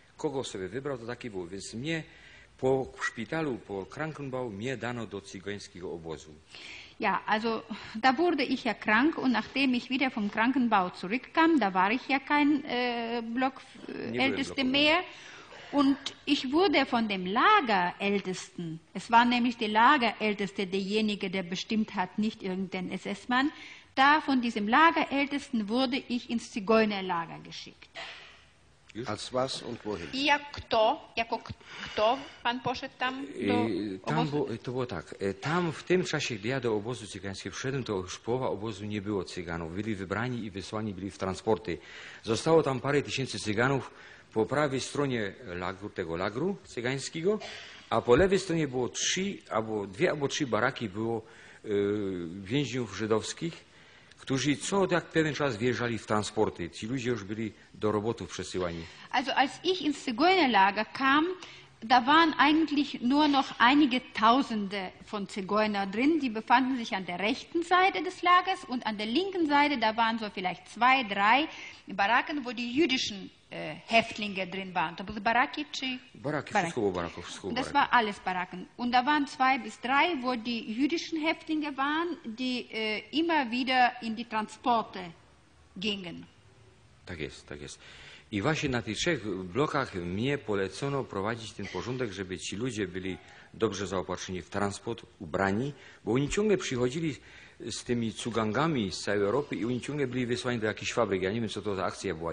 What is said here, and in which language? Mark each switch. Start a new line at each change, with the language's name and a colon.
Polish: Kogo sobie wybrał, to taki był. Więc mnie po szpitalu, po Krankenbau, mnie dano do cygańskiego obozu.
German: Ja, also da wurde ich ja krank und nachdem ich wieder vom Krankenbau zurückkam, da war ich ja kein Blockälteste mehr. Und ich wurde von dem Lagerältesten, es war nämlich der Lagerälteste, derjenige, der bestimmt hat, nicht irgendein SS-Mann, da von diesem Lagerältesten wurde ich ins Zigeunerlager geschickt. Als was und wohin?
Polish: Ja, kto, jako kto, pan poszedł tam do tam obozu? Bo, to było tak, tam w tym czasie, gdy ja do obozu cygańskiego wszedłem, to już połowa obozu nie było cyganów. Byli wybrani i wysłani byli w transporty. Zostało tam parę tysięcy cyganów po prawej stronie lagru, tego lagru cygańskiego, a po lewej stronie było trzy, albo dwie albo trzy baraki było więźniów żydowskich, którzy co tak pewien czas wjeżdżali w transporty. Ci ludzie już byli do roboty przesyłani.
German: Also als ich ins Zigeunerlager kam, da waren eigentlich nur noch einige Tausende von Zigeuner drin. Die befanden sich an der rechten Seite des Lagers und an der linken Seite, da waren so vielleicht zwei, drei Baracken, wo die jüdischen Häftlinge drin waren.
Polish: To były baraki czy? Baraki, wszystko było baraków. Wszystko
German: das war alles Baracken. Und da waren zwei bis drei, wo die jüdischen Häftlinge waren, die immer wieder in die Transporte gingen.
Polish: Tak jest, tak jest. I właśnie na tych trzech blokach mnie polecono prowadzić ten porządek, żeby ci ludzie byli dobrze zaopatrzeni w transport, ubrani, bo oni ciągle przychodzili z tymi cugangami z całej Europy i oni ciągle byli wysłani do jakichś fabryk. Ja nie wiem, co to za akcja była.